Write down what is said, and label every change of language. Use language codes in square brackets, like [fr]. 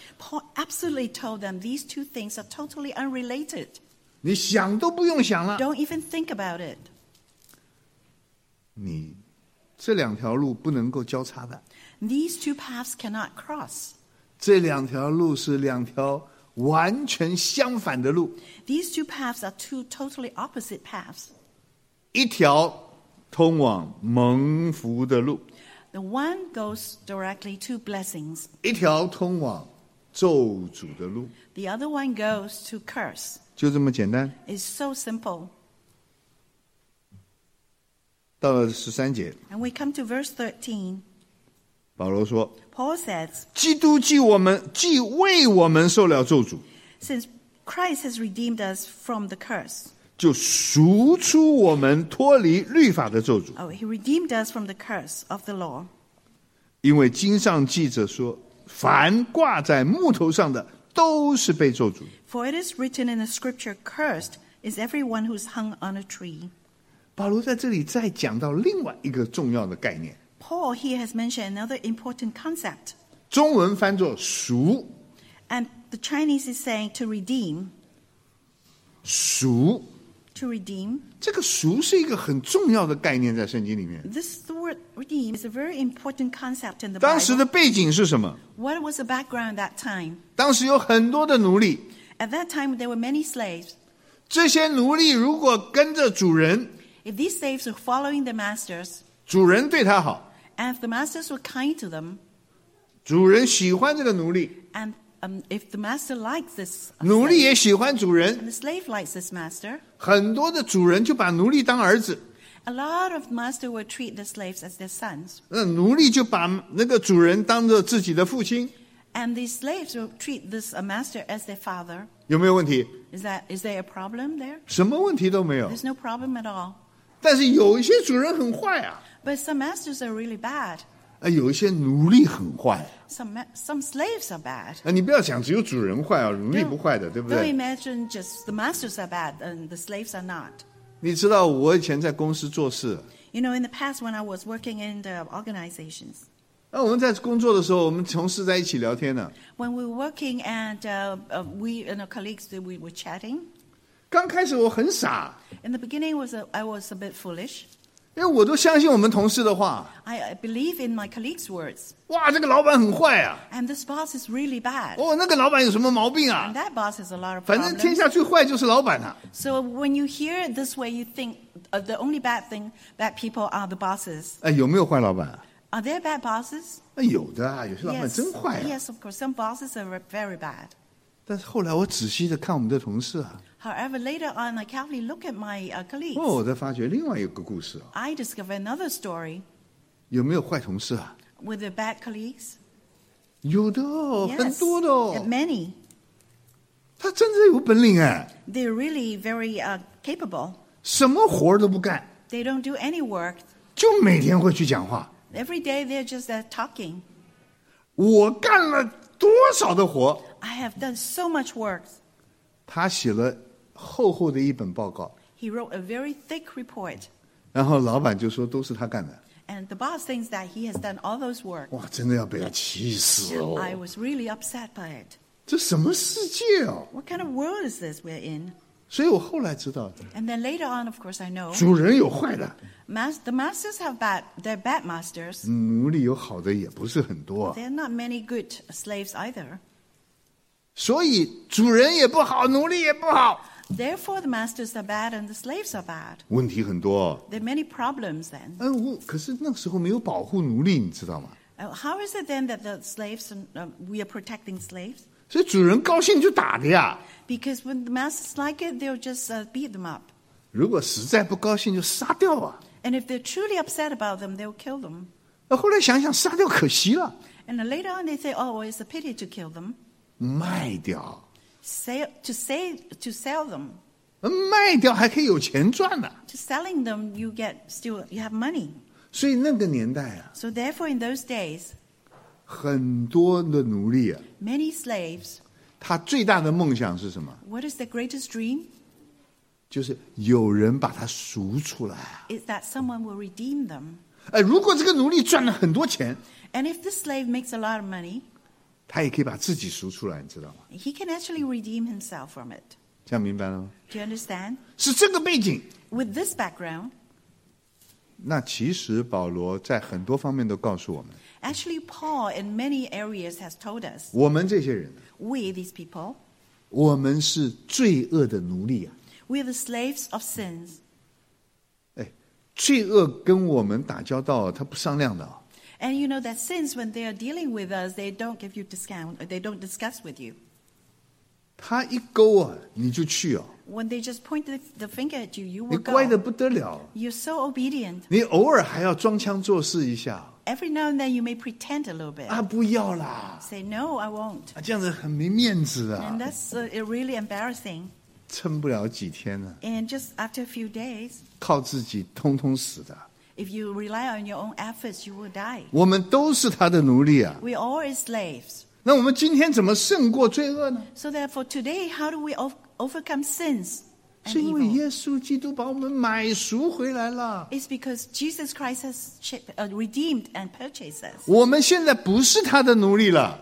[en] Paul absolutely told them these two things are totally unrelated. [zh] 你想都不用想了。 [en] Don't even think about it. [zh] 你这两条路不能够交叉的。 [en] These two paths cannot cross. [zh] 这两条路是两条完全相反的路。 [en] These two paths are two totally opposite paths. [zh] 一条通往蒙福的路。 [en] The one goes directly to blessings. [zh] 一条通往咒诅的路。 [en] The other one goes to curse. [zh] 就这么简单。 [en] It's so simple. [zh] 到了十三节。 [en] And we come to verse 13. [zh] 保罗说 [en] Paul says, [zh] 基督既为我们受了咒诅 [en] Since Christ has redeemed us from the curse, [zh] 就赎出我们脱离律法的咒诅 [en] Oh, he redeemed us from the curse of the law. [zh] 因为经上记着说凡挂在木头上的都是被咒诅 [en] For it is written in the scripture, cursed is everyone who is hung on a tree. [zh] 保罗在这里再讲到另外一个重要的概念 [en] Paul here has mentioned another important concept. [zh] 中文翻作赎 [en] And the Chinese is saying to redeem. [zh] 赎 [en] To redeem. [zh] 这个赎是一个很重要的概念在圣经里面 [en] This word redeem is a very important concept in the Bible. [zh] 当时的背景是什么 [en] What was the background that time? [zh] 当时有很多的奴隶 [en] At that time there were many slaves. [zh] 这些奴隶如果跟着主人 [en] If these slaves were following the masters, [zh] 主人对他好 [en] And if the masters were kind to them [zh] 主人喜欢这个奴隶 [en] And if the master likes this [zh] 奴隶也喜欢主人 [en] And the slave likes this master [zh] 很多的主人就把奴隶当儿子 [en] A lot of masters would treat the slaves as their sons [zh] 那奴隶就把那个主人当做自己的父亲 [en] And the slaves would treat this master as their father [zh] 有没有问题 [en] Is there a problem there? [zh] 什么问题都没有 [en] There's no problem at all [zh] 但是有一些主人很坏啊 [en] But some masters are really bad. [zh] 有一些奴隶很坏。 [en] Some slaves are bad. [zh] 你不要想只有主人坏啊，奴隶不坏的，对不对？ [en] Don't imagine just the masters are bad and the slaves are not. [zh] 你知道我以前在公司做事。 [en] You know, in the past when I was working in the organizations. [zh] 我们在工作的时候，我们同事在一起聊天呢。 [en] When we were working and we and our colleagues, we were chatting. [zh] 刚开始我很傻 [en] In the beginning, I was a bit foolish. [zh] 因为我都相信我们同事的话 [en] I believe in my colleague's words. [zh] 哇这个老板很坏啊 [en] And this boss is really bad. [zh] 哦那个老板有什么毛病啊 [en] And that boss has a lot of problems. [zh] 反正天下最坏就是老板啊 [en] So when you hear it this way, you think the only bad thing, bad people are the bosses. [zh] 有没有坏老板啊 [en] Are there bad bosses? [zh] 有的啊有些老板真坏啊 [en] Yes, of course, some bosses are very bad. [zh] 但是后来我仔细地看我们的同事啊 [en] However, later on, I carefully look at my colleagues. [zh] 我才发觉另外一个故事。 [en] I discover another story. [zh] 有没有坏同事啊 [en] ？With the bad colleagues. [zh] 有的，很多的。 [en] Yes, many. [zh] 他真的有本领哎。 [en] They're really very capable. [zh] 什么活都不干。 [en] They don't do any work. [zh] 就每天会去讲话。 [en] Every day they're just talking. [zh] 我干了多少的活 [en] ？I have done so much work. [zh] 他写了厚厚的一本报告 [en] He wrote a very thick report. [zh] 然后老板就说都是他干的 [en] And the boss thinks that he has done all those work. [zh] 哇真的要被他气死哦 [en] I was really upset by it. [zh] 这什么世界哦 [en] What kind of world is this we're in? [zh] 所以我后来知道 [en] And then later on, of course, I know. [zh] 主人有坏的 [en] The masters have bad, they're bad masters. [zh] 奴隶有好的也不是很多 [en] There are not many good slaves either. [zh] 所以主人也不好，奴隶也不好。 [en] Therefore, the masters are bad and the slaves are bad. [zh] 问题很多。 [en] There are many problems then. [zh] 可是那时候没有保护奴隶，你知道吗 [en] How is it then that the slaves, we are protecting slaves? [zh] 所以主人高兴就打的呀。 [en] Because when the masters like it, they'll just beat them up. [zh] 如果实在不高兴就杀掉啊。 [en] And if they're truly upset about them, they'll kill them. [zh] 后来想想杀掉可惜了。 [en] And later on they say, oh, it's a pity to kill them. [zh] 卖掉。 [en] To sell them. [zh] 卖掉还可以有钱赚呢。 [en] To selling them, you have money. [zh] 所以那个年代啊 [en] ，So therefore in those days， [zh] 很多的奴隶啊 [en] ，Many slaves， [zh] 他最大的梦想是什么 [en] ？What is the greatest dream？ [zh] 就是有人把他赎出来。 [en] Is that someone will redeem them？ [zh] 哎，如果这个奴隶赚了很多钱 [en] ，And if the slave makes a lot of money， [zh] 他也可以把自己赎出来，你知道吗 [en] ？He can actually redeem himself from it。 [zh] 这样明白了吗 [en] ？Do you understand？ [zh] 是这个背景。 [en] With this background。 [zh] 那其实保罗在很多方面都告诉我们 [en] Actually, Paul in many areas has told us [zh] 我们这些人 [en] We, these people [zh] 我们是罪恶的奴隶、啊、 [en] We are the slaves of sins、 [zh] 哎、罪恶跟我们打交道它不商量的、哦、 [en] And you know that sins when they are dealing with us they don't give you discount they don't discuss with you [zh] 他一勾啊你就去啊、哦 [en] When they just point the finger at you, you will go. [zh] 你乖得不得了。 [en] You're so obedient. [zh] 你偶尔还要装腔作势一下。 [en] Every now and then you may pretend a little bit. [zh] 啊，不要啦。 [en] Say, no, I won't. [zh] 啊，这样子很没面子啊。 [en] And that's really embarrassing. [zh] 撑不了几天啊。 [en] And just after a few days. [zh] 靠自己通通死的。 [en] If you rely on your own efforts, you will die. [zh] 我们都是他的奴隶啊。 [en] We all are slaves. [zh] 那我们今天怎么胜过罪恶呢 [en] ？So therefore, today, how do we overcome sins? [zh] 是因为耶稣基督把我们买赎回来了。 [en] It's because Jesus Christ has redeemed and purchased us. [zh] 我们现在不是他的奴隶了。